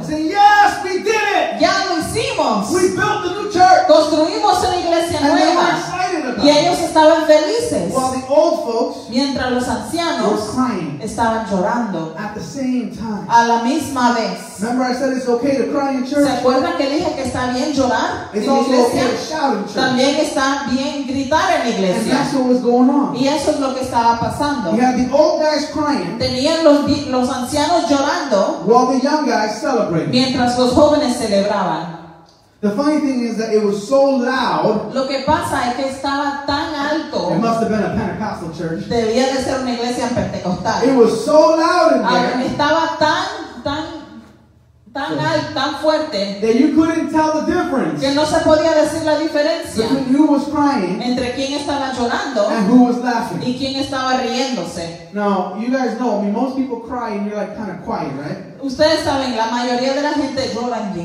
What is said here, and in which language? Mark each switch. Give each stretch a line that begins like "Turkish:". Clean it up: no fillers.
English: Saying, yes, we did it.
Spanish: Ya lo hicimos.
English: We built a new church.
Spanish: Construimos una iglesia
English: and
Spanish: nueva. Y ellos estaban felices.
English: While the old folks,
Spanish: mientras los ancianos
English: crying,
Spanish: estaban llorando.
English: At the same time.
Spanish: A la misma vez.
English: Remember I said it's okay to cry in church.
Spanish: ¿Se acuerdan que dije que está bien llorar
English: it's
Spanish: en la iglesia?
English: Okay to shout in church.
Spanish: También está bien gritar en la iglesia.
English: And that's what was going on.
Spanish: Y eso es lo que estaba pasando.
English: You had the old guys crying.
Spanish: Tenían los ancianos llorando.
English: While the young guys celebrating.
Spanish: Mientras los jóvenes celebraban.
English: The funny thing is that it was so loud.
Spanish: Lo que pasa es que estaba tan alto.
English: It must have been a Pentecostal church.
Spanish: Debía de ser una iglesia pentecostal.
English: It was so loud in there.
Spanish: Estaba tan tan alto, tan fuerte,
English: that you couldn't tell the difference,
Spanish: que no se podía decir la diferencia,
English: between who was crying
Spanish: entre quien estaba llorando,
English: and who was laughing.
Spanish: Y quien estaba riéndose.
English: Now, you guys know, I mean, most people cry and you're like kind of quiet, right?
Spanish: Ustedes saben, la mayoría de la gente llora bien